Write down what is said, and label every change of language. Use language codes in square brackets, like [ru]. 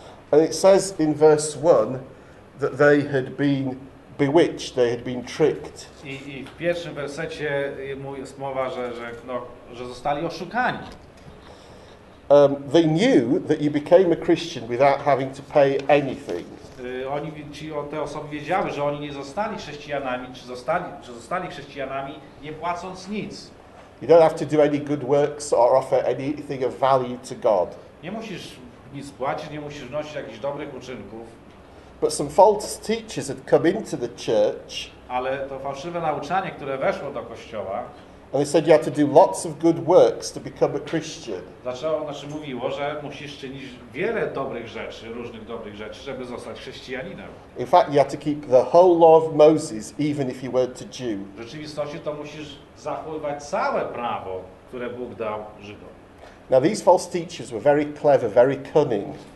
[en] And it says in verse 1 that they had been bewitched, they had been tricked. [pl] I w pierwszym wersecie jest mowa, że zostali oszukani. [en] They knew that you became a Christian without having to pay anything. [pl] Te osoby wiedziały, że oni nie zostali chrześcijanami, czy zostali chrześcijanami, nie płacąc nic. [en] You don't have to do any good works or offer anything of value to God. [pl] Nie musisz nic płacić, nie musisz wnosić jakichś dobrych uczynków. [en] But some false teachers had come into the church. [pl] Ale to fałszywe nauczanie, które weszło do kościoła. [en] And they said you have to do lots of good works to become a Christian. [pl] Znaczy mówiło, że musisz czynić wiele dobrych rzeczy, różnych dobrych rzeczy, żeby zostać chrześcijaninem. [en] In fact, you have to keep the whole law of Moses, even if you weren't a Jew. [pl] W rzeczywistości to musisz zachowywać całe prawo, które Bóg dał Żydom. [en] Now these false teachers were very clever, very cunning.